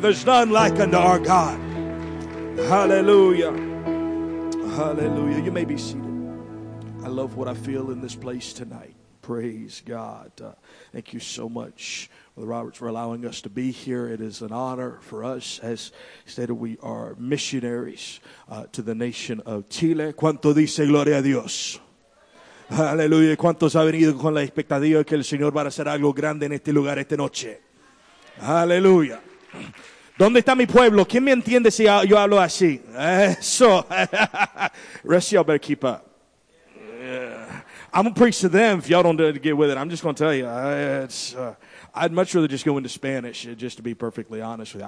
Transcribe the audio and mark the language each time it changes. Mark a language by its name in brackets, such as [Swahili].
[English] There's none like unto our God. Hallelujah. Hallelujah. You may be seated. I love what I feel in this place tonight. Praise God. Thank you so much, Brother Roberts, for allowing us to be here. It is an honor for us. As stated, we are missionaries to the nation of Chile. [Spanish] ¿Cuánto dice gloria a Dios? Aleluya. ¿Cuántos han venido con la expectativa que el Señor va a hacer algo grande en este lugar esta noche? Aleluya. ¿Dónde está mi pueblo? ¿Quién me entiende si yo hablo así? Eso. [English] Rest y'all better keep up. I'm going to preach to them if y'all don't get with it. I'm just going to tell you, I'd much rather just go into Spanish, just to be perfectly honest with you.